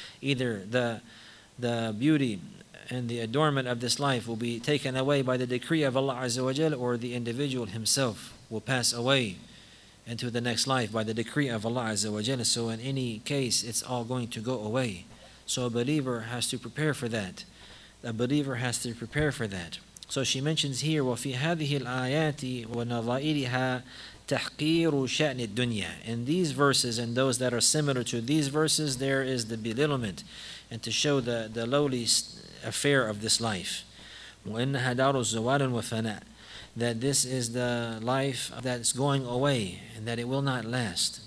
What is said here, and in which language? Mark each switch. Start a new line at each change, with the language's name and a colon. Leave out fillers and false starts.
English: Either the beauty and the adornment of this life will be taken away by the decree of Allah Azza wa Jal, or the individual himself will pass away into the next life by the decree of Allah Azza wa Jal. So in any case, it's all going to go away. So a believer has to prepare for that. A believer has to prepare for that. So she mentions here,
Arabic: وَفِي هَذِهِ الْآيَاتِ وَنَظَائِرِهَا تَحْقِيرُ شَأْنِ الدُّنْيَا.
English: In these verses and those that are similar to these verses, there is the belittlement and to show the lowly affair of this life.
Arabic: وَإِنَّهَا دَارُ الزَّوَالٍ وَفَنَاءٍ.
English: That this is the life that's going away and that it will not last.